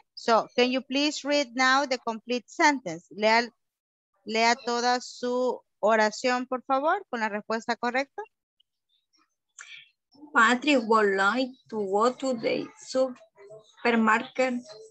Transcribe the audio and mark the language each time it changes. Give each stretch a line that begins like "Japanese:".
English: So, can you please read now the complete sentence?
Spanish: Lea toda su oración, por favor, con la respuesta correcta.
English: Patrick would like to go to the supermarket.